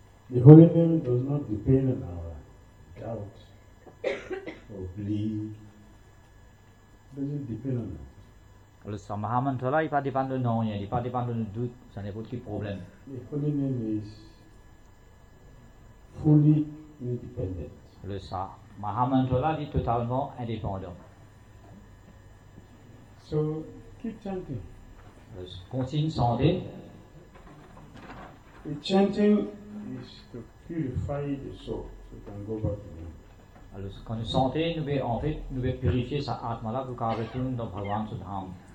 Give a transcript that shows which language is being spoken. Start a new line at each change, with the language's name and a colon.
English: The holy name does not depend on our doubt or belief. Does it depend on that?
French: Le Samahamantra, il ne pas dépendre de non, il ne pas dépendre de doute, ça n'est pas de problème.
English: The holy name is fully independent.
French: Le sa Mahamantra dit totalement indépendant.
English: So keep chanting.
French: Continue chanter.
English: The chanting is to purify the soul, so it can go back to him.
French: Alors quand nous chantons, nous devons en fait nous devons purifier sa atma là pour qu'elle retourne dans Bhagavan Sudham.